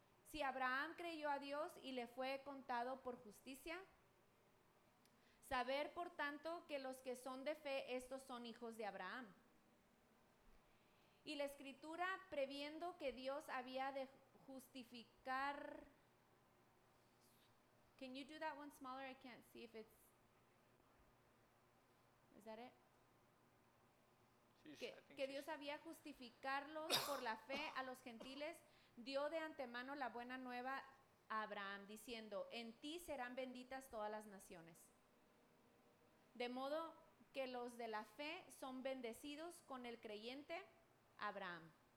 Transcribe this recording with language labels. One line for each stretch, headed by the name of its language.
Spanish: Si Abraham creyó a Dios y le fue contado por justicia, saber, por tanto, que los que son de fe, estos son hijos de Abraham. Y la Escritura, previendo que Dios había de justificar...
English: Can you do that one smaller? I can't see if it's... Is that it?
Spanish: Que Dios había justificarlos por la fe a los gentiles, dio de antemano la buena nueva a Abraham, diciendo, en ti serán benditas todas las naciones. De modo que los de la fe son bendecidos con el creyente Abraham.